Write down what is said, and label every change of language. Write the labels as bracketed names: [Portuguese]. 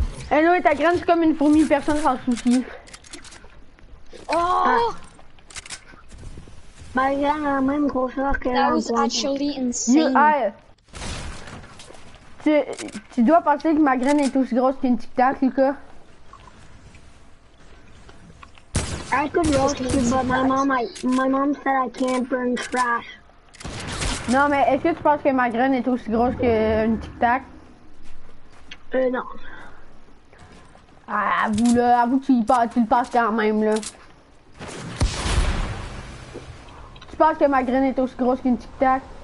[French] Eh non, ta graine, c'est comme une fourmi, personne s'en soucie. Oh! Ma graine a la même grosseur que [English] la. That was actually insane. [French] Tu dois penser que ma graine est aussi grosse qu'une tic tac, Lucas. [English] I could roast you, but my mom said I can't burn trash. [French] Non, mais est-ce que tu penses que ma graine est aussi grosse qu'une tic-tac? Non. Ah, avoue que tu le penses quand même, là. Tu penses que ma graine est aussi grosse qu'une tic-tac?